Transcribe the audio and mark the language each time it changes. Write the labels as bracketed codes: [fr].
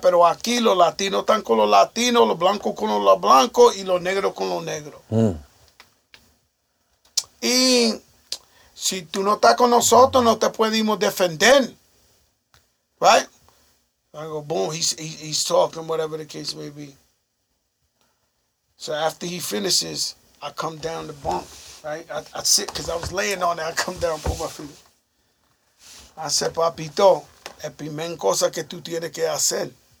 [es] Pero aquí los latinos están con los latinos, los blancos con los blancos y los negros con los negros. Mm. Y si tú no estás con nosotros, no te podemos defender. [en] Right? I go, boom, he's talking, whatever the case may be. So after he finishes, I come down the bunk, right? I sit, because I was laying on it. I come down, put my feet. I said, [es] papito, el primer cosa que tú tienes que hacer.